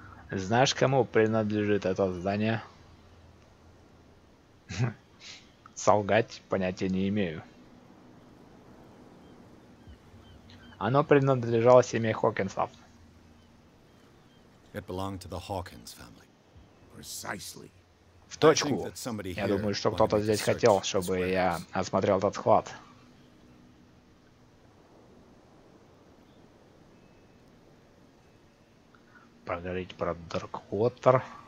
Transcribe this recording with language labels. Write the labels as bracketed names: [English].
[Russian] Знаешь, кому принадлежит это здание? Солгать понятия не имею. Оно принадлежало семье Хокинсов. [English] It belonged to the Hawkins family. Precisely. [Russian] В точку. Я думаю, что кто-то здесь хотел, чтобы я осмотрел этот склад. Поговорить про Darkwater.